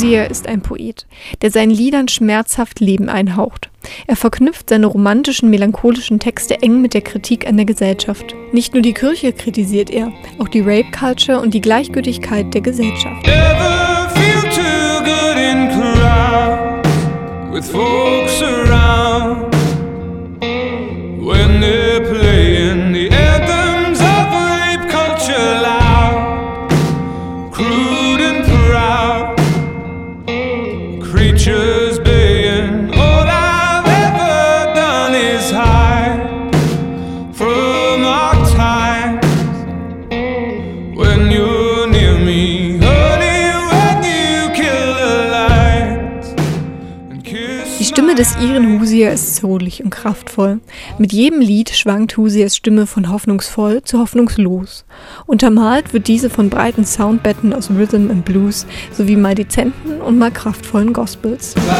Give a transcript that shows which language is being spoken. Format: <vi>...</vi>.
<de>Ist ein Poet, der seinen Liedern schmerzhaft Leben einhaucht. Er verknüpft seine romantischen, melancholischen Texte eng mit der Kritik an der Gesellschaft. Nicht nur die Kirche kritisiert er, auch die Rape Culture und die Gleichgültigkeit der Gesellschaft.</de> <en>Never feel too good in crowds with folks around when they're playing the anthems of rape culture loud, crude and proud. Creatures baying, all I've ever done is hide from our times. When you're near me, honey, when you kill the light and kiss.</en> <de>Die Stimme des Iren Hosea ist soulig und kraftvoll. Mit jedem Lied schwankt Hoseas Stimme von hoffnungsvoll zu hoffnungslos. Untermalt wird diese von breiten Soundbetten aus Rhythm and Blues sowie mal dezenten und mal kraftvollen Gospels.</de>